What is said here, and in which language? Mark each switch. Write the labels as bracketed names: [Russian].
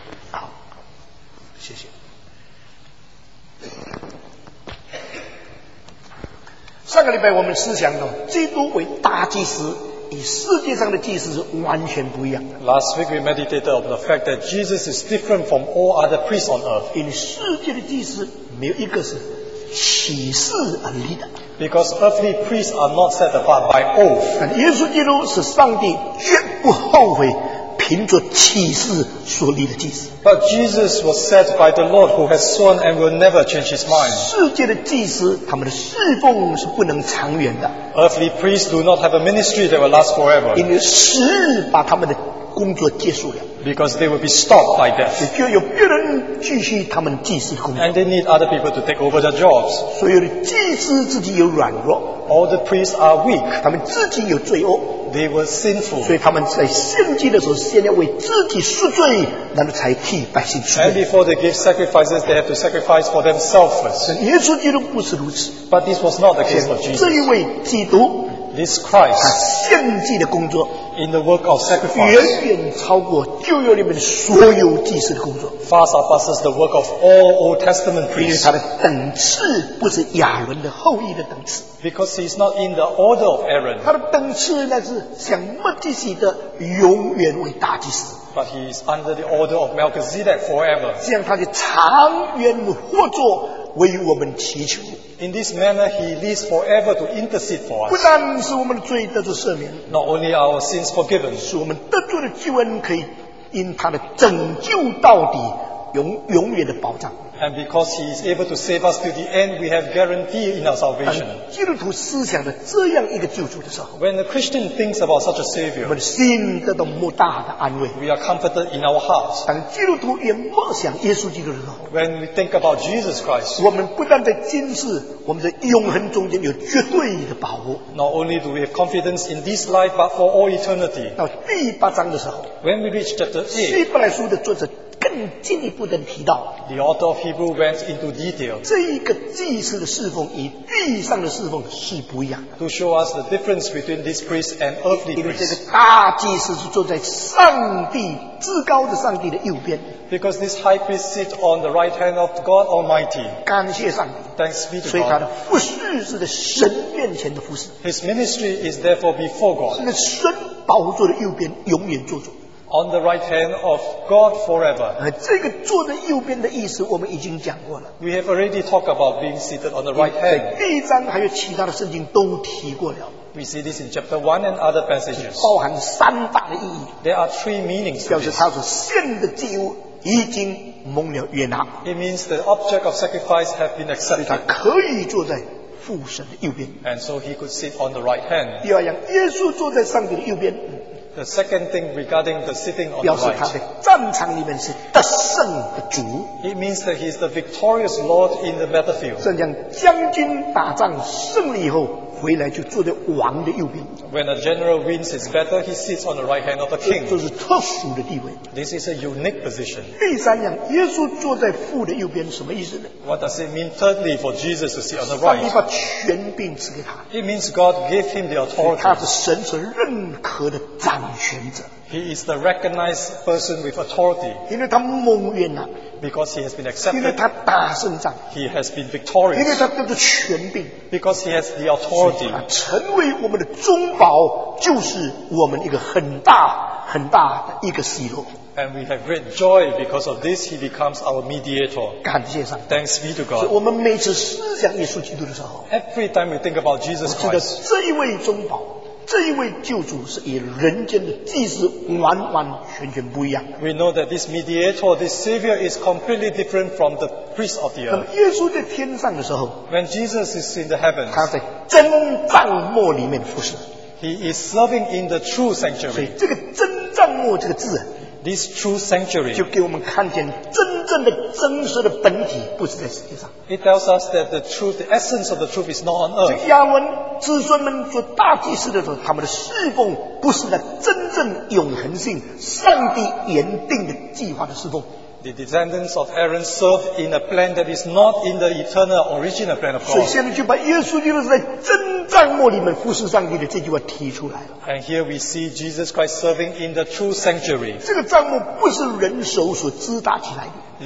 [Chinese] 好，谢谢。上个礼拜我们思想到基督为大祭司，与世界上的祭司是完全不一样的。 [English] Last week we meditated on the fact that Jesus is different from all other priests on earth. [Chinese] 因为世界的祭司没有一个是启示而立的。 [English] Because earthly priests are not set apart by oath. [Chinese] 但耶稣基督是上帝绝不后悔凭着启示所立的祭司。 [English] But Jesus was set by the Lord who has sworn and will never change his mind. [Chinese] 世界的祭司，他们的侍奉是不能长远的。 [English] Earthly priests do not have a ministry that will last forever. [Chinese] 因为时日把他们的工作结束了。 [English] Because they will be stopped by death. [Chinese] 也就有别人继续他们祭司的工作。 [English] And they need other people to take over their jobs. [Chinese] 所有的祭司自己有软弱。 [English] All the priests are weak. [Chinese] 他们自己有罪恶。 [English] They were sinful. [Chinese] 所以他们在献祭的时候，先要为自己赎罪，然后才替百姓赎罪。 [English] And before they give sacrifices, they have to sacrifice for themselves first. [Chinese] 耶稣基督不是如此。 [English] But this was not the case of Jesus. [Chinese] 这一位基督， [English] this Christ, [Chinese] 他献祭的工作 [English] in the work of sacrifice, [Chinese] 远远超过旧约里面的所有祭司的工作 [English] far surpasses the work of all Old Testament priests, [Chinese] 因为他的等次不是亚伦的后裔的等次 [English] because he is not in the order of Aaron, [Chinese] 他的等次那是像麦基洗德永远为大祭司 [English] But he is under the order of Melchizedek forever. [Chinese] 这样他就长远合作为我们祈求。 [English] In this manner, he lives forever to intercede for us. [Chinese] 不但是我们的罪得到赦免 [English] ，Not only our sins forgiven, [Chinese] 是我们得救的救恩可以因他的拯救到底永远的保障。 [English] And because he is able to save us to the end, we have guarantee in our salvation. [Chinese] 当基督徒思想的这样一个救主的时候 [English] ，When a Christian thinks about such a savior, [Chinese] 我们的心得到莫大的安慰。 [English] We are comforted in our hearts. [Chinese] 当基督徒也默想耶稣基督的时候 [English] ，When we think about Jesus Christ, [Chinese] 我们不但在今世，我们在永恒中间有绝对的把握。 [English] Not only do we have confidence in this life, but for all eternity. [Chinese] 到第八章的时候 [English] ，When we reach chapter 8, [Chinese] 希伯来书的作者。更进一步的提到 [English] ，The author of Hebrew went into detail. [Chinese] 这一个祭司的侍奉与地上的侍奉是不一样的。 [English] To show us the difference between this priest and earthly priest. [Chinese] 因为这个大祭司是坐在上帝至高的上帝的右边。 [English] Because this high priest sits on the right hand of God Almighty. [Chinese] 感谢上帝。 [English] Thanks be to God. [Chinese] 所以他的服事是在神面前的服事。 [English] His ministry is therefore before God. [Chinese] 是在神宝座的右边永远坐着。 [English] On the right hand of God forever. [Chinese] 这个坐在右边的意思我们已经讲过了。 [English] We have already talked about being seated on the right hand. [Chinese] 第一章还有其他的圣经都提过了。 [English] We see this in chapter 1 and other passages. [Chinese] 包含三大的意义。 [English] There are three meanings. [Chinese] 表示他所献的祭物已经蒙了悦纳。 [English] It means the object of sacrifice have been accepted. [Chinese] 他可以坐在父神的右边。 [English] And so he could sit on the right hand. [Chinese] 第二样，耶稣坐在上帝的右边。 [English] The second thing regarding the sitting on the right. [Chinese] 表示他在战场里面是得胜的主。 [English] It means that he is the victorious Lord in the battlefield. [Chinese] 正像将军打仗胜了以后回来就坐在王的右边。 [English] When a general wins his battle, he sits on the right hand of a king. [Chinese] 这是特殊的地位。 [English] This is a unique position. [Chinese] 第三样，耶稣坐在父的右边什么意思呢？ [English] What does it mean thirdly for Jesus to sit on the right? [Chinese] 上帝把权柄赐给他。 [English] It means God gave him the authority. [Chinese] 他是神所认可的掌权者。 [English] He is the recognized person with authority. [Chinese] 因为他蒙悦了。 [English] Because he has been accepted. [Chinese] 因为他打胜仗。 [English] He has been victorious. [Chinese] 因为他得到权柄。 [English] Because he has the authority. [Chinese] 所以他成为我们的中保，就是我们一个很大很大的一个喜乐。 [English] And we have great joy because of this. He becomes our mediator. [Chinese] 感谢上帝。 [English] Thanks be to God. [Chinese] 所以我们每次思想耶稣基督的时候 [English] ，Every time we think about Jesus Christ， [Chinese] 我记得这一位中保。这一位救主是与人间的祭司完完全全不一样。 [English] We know that this mediator, this savior, is completely different from the priest of the earth. [Chinese] 那么耶稣在天上的时候 [English] ，When Jesus is in the heavens, [Chinese] 他在真帐幕里面服事。 [English] He is serving in the true sanctuary. [Chinese] 所以这个真帐幕这个字 [English] ，This true sanctuary, [Chinese] 就给我们看见真正的真实的本体不是在世界上。 [English] It tells us that the truth, the essence of the truth, is not on earth. [Chinese] 这亚文子孙们做大祭司的时候，他们的侍奉不是那真正永恒性、上帝原定的计划的侍奉。 [English] The descendants of Aaron served in a plan that is not in the eternal original plan of God. [Chinese] 所以现在就把耶稣基督在真帐幕里面服侍上帝的这句话提出来了。 [English] And here we see Jesus Christ serving in the true sanctuary. [Chinese] 这个帐幕不是人手所支搭起来的。